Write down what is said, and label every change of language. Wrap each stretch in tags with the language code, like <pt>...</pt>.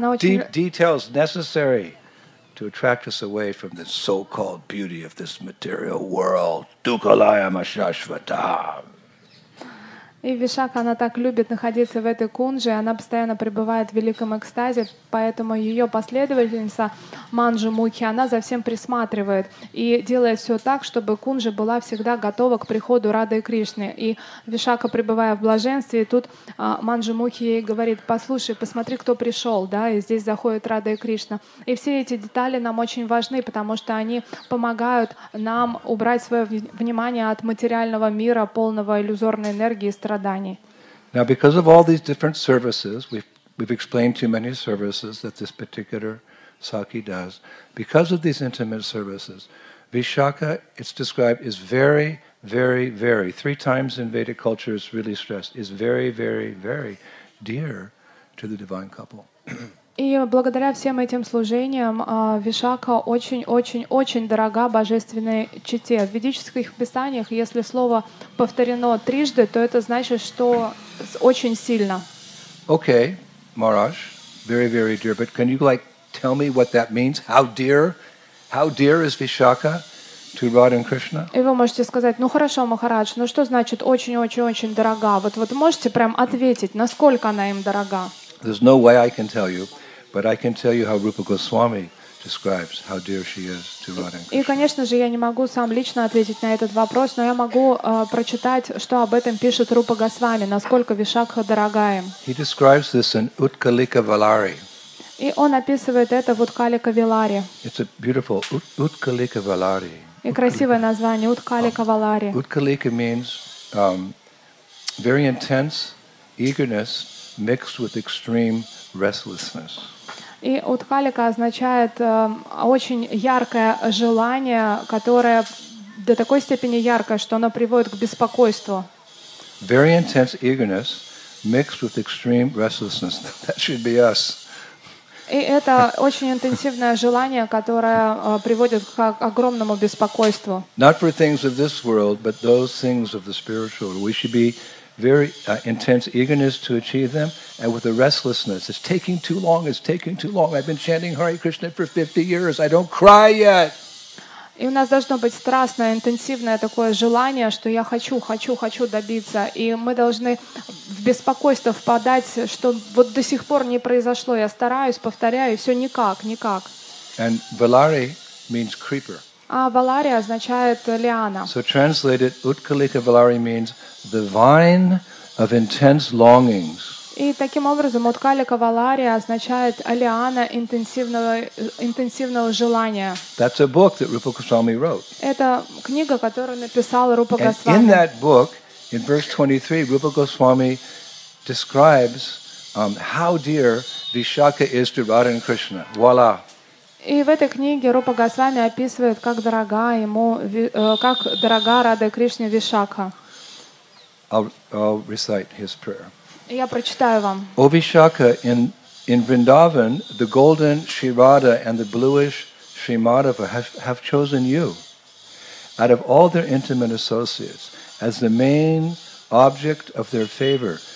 <en>Deep details necessary to attract us away from the so-called beauty of this material world.</en> <sa>Dukalaya Mashashvata.</sa> <ru>И Вишакха, она так любит находиться в этой кунже, она постоянно пребывает в великом экстазе, поэтому ее последовательница Манджумукхи, она за всем присматривает и делает все так, чтобы кунжа была всегда готова к приходу Рады и Кришны. И Вишакха, пребывая в блаженстве, тут Манджумукхи ей говорит: «Послушай, посмотри, кто пришел, да, и здесь заходит Рада и Кришна». И все эти детали нам очень важны, потому что они помогают нам убрать свое внимание от материального мира, полного иллюзорной энергии.</ru> <en>Now, because of all these different services, we've explained too many services that this particular Sakhi does. Because of these intimate services, Vishakha, it's described, is very, very, very, three times in Vedic culture it's really stressed, is very, very, very dear to the divine couple.</en> <ru>И благодаря всем этим служениям Вишакха очень-очень-очень дорога божественной чете. В ведических писаниях, если слово повторено трижды, то это значит, что очень сильно.</ru> <en>Okay, Maharaj, very, very dear, but can you like tell me what that means? How dear is Vishakha to Radha and Krishna?</en> <ru>И вы можете сказать: ну хорошо, Махарадж, но что значит очень-очень-очень дорога? Вот вот можете прям ответить, насколько она им дорога?</ru> <en>There's no way I can tell you, but I can tell you how Rupa Goswami describes how dear she is to Radha and Krishna.</en> <ru>И, конечно же, я не могу сам лично ответить на этот вопрос, но я могу прочитать, что об этом пишет Рупа Госвами, насколько Вишакха дорога им.</ru> <en>He describes this in Utkalika Valari.</en> <ru>И он описывает это в Уткалика Валари.</ru> <en>It's a beautiful Utkalika Valari.</en> <ru>И красивое название Уткалика Валари.</ru> <en>Utkalika means very intense eagerness mixed with extreme restlessness.</en> <ru>И уткалика означает очень яркое желание, которое до такой степени яркое, что оно приводит к беспокойству.</ru> <en>Very intense eagerness mixed with extreme restlessness. That should be us.</en> <ru>И это очень интенсивное желание, которое приводит к огромному беспокойству.</ru> <en>Not for things of this world, but those things of the spiritual. We should be very intense eagerness to achieve them and with a restlessness. It's taking too long, it's taking too long. I've been chanting Hare Krishna for 50 years. I don't cry yet.</en> <ru>И у нас должно быть страстное, интенсивное такое желание, что я хочу, хочу, хочу добиться. И мы должны в беспокойство впадать, что вот до сих пор не произошло. Я стараюсь, повторяю, и все никак, никак.</ru> <en>And Valari means creeper.</en> <ru>А Valari означает лиана.</ru> <en>So translated, Utkalika Valari means the vine of intense longings.</en> <ru>И таким образом Уткалика Валари означает лиана интенсивного, интенсивного желания.</ru> <en>That's a book that Rupa Goswami wrote.</en> <ru>Это книга, которую написал Рупа Госвами.</ru> <en>And in that book, in verse 23, Rupa Goswami describes how dear Vishakha is to Radha and Krishna.</en> <fr>Voila.</fr> <ru>И в этой книге Рупа Госвами описывает, как дорога ему, как дорога Радхе Кришне Вишакха.</ru> <en>I'll recite his prayer.</en> <ru>Я прочитаю вам.</ru> <en>O Vishakha, in Vrindavan, the golden Shri Radha and the bluish Shri Madhava have chosen you out of all their intimate associates as the main object of their favor.</en>